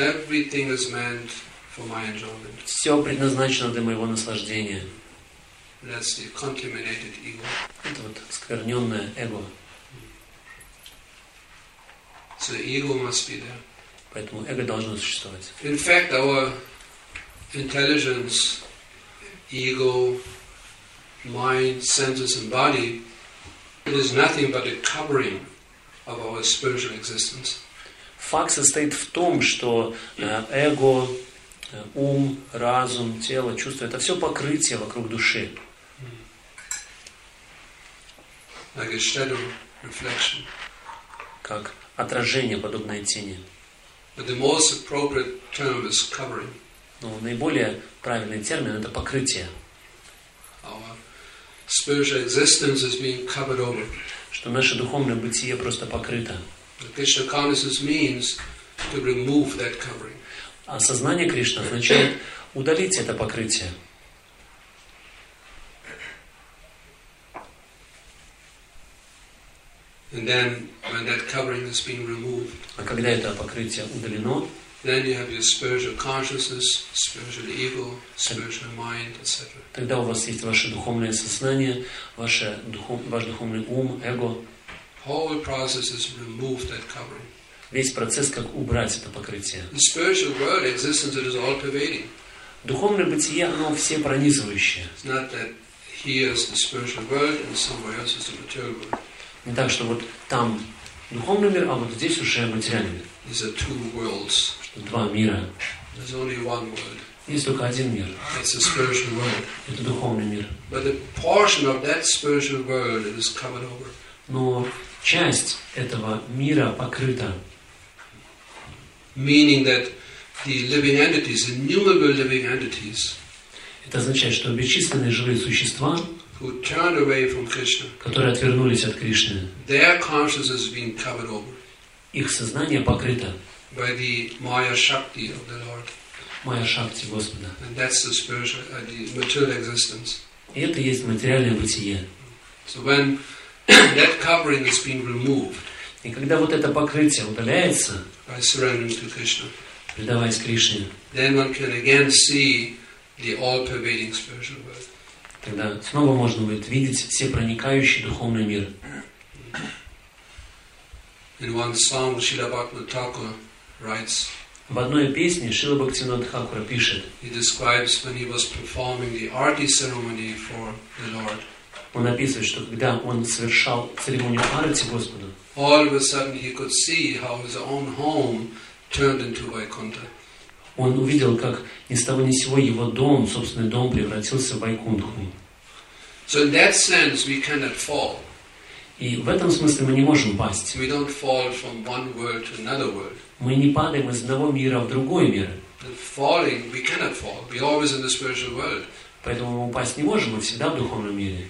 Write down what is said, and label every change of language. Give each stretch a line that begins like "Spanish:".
English: Everything is meant for my enjoyment.
Russian: Все предназначено для моего наслаждения.
English: That's the contaminated ego.
Russian: Это вот оскверненное эго.
English: So ego must be there.
Russian: Поэтому эго должно существовать.
English: In fact, our intelligence, ego, mind, senses, and body, it is nothing but a covering of our spiritual existence.
Russian: Факт состоит в том, что эго, ум, разум, тело, чувства — это все покрытие вокруг души.
English: Like a shadow reflection.
Russian: Как отражение, подобное тени.
English: But the most appropriate term is covering.
Russian: Но наиболее правильный термин — это покрытие.
English: Our spiritual existence is being covered over.
Russian: Что наше духовное бытие просто покрыто.
English: Krishna consciousness means to remove that covering.
Russian: Осознание Кришны означает удалить это покрытие.
English: And then, when that covering has been removed,
Russian: а когда это покрытие удалено,
English: then you have your spiritual consciousness, spiritual ego, spiritual mind, etc.
Russian: Тогда у вас есть ваше духовное сознание, ваш духовный ум, эго.
English: Whole process is remove that covering.
Russian: Весь процесс — как убрать это покрытие.
English: The spiritual world existence, it is all pervading.
Russian: Духовное бытие, оно все пронизывающее.
English: It's not that here is the spiritual world and somewhere else is the material world.
Russian: Не так, что вот там духовный мир, а вот здесь уже материальный мир.
English: These are two worlds.
Russian: Два мира.
English: There's only one world.
Russian: Есть только один мир.
English: It's a spiritual world.
Russian: Это духовный мир.
English: But a portion of that spiritual world is covered over.
Russian: Но часть этого мира покрыта.
English: Meaning that the living entities, innumerable living entities,
Russian: это означает, что бесчисленные живые существа,
English: who turned away from Krishna,
Russian: которые отвернулись от Кришны,
English: their consciousness has been covered over.
Russian: Их сознание покрыто.
English: By the Maya Shakti of the Lord.
Russian: Maya Shakti Господа.
English: And that's the spiritual, the material existence.
Russian: И это есть материальное бытие.
English: So when that covering is being removed.
Russian: И когда вот это покрытие удаляется,
English: by surrendering to Krishna,
Russian: предаваясь Кришне,
English: then one can again see the all-pervading spiritual world.
Russian: Тогда снова можно будет видеть все проникающий духовный мир.
English: In one song, Srila Bhaktivinoda Thakura writes.
Russian: В одной песне Шрила Бхактивинода Тхакура пишет.
English: He describes when he was performing the arti ceremony for the Lord.
Russian: Он описывает, что когда он совершал церемонию арати Господу,
English: all of a sudden he could see how his own home turned into Vaikuntha.
Russian: Он увидел, как ни с того ни с сего его дом, собственный дом, превратился в Вайкунтху.
English: So in that sense we cannot fall.
Russian: И в этом смысле мы не можем пасть.
English: We don't fall from one world to another world.
Russian: Мы не падаем из одного мира в другой мир.
English: Falling, we cannot fall. We're always in the spiritual world.
Russian: Поэтому мы упасть не можем, мы всегда в духовном мире.